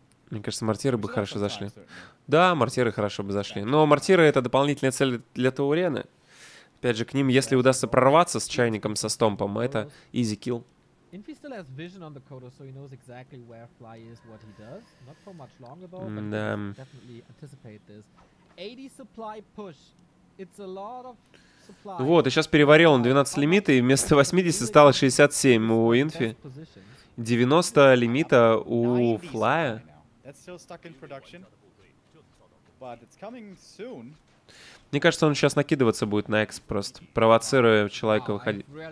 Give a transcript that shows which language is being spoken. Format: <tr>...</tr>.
<ru>Мне кажется, мортиры бы хорошо зашли. Да, мортиры хорошо бы зашли. Но мортиры — это дополнительная цель для Таурены. Опять же, к ним, если удастся прорваться с чайником, со стомпом, это</ru> <en>easy kill. Инфи still has vision on the Kodo, so he knows exactly where Fly is, what he does. Not for much longer though, but definitely anticipate this. 80 supply push. It's a lot of supply.</en> <ru>Вот, и сейчас переварил он 12 лимита, и вместо 80 стало 67 у Инфи. 90 лимита у</ru> <en>Fly. That's still stuck in production. But it's coming soon.</en> <ru>Мне кажется, он сейчас накидываться будет на экс, просто провоцируя человека выходить.</ru>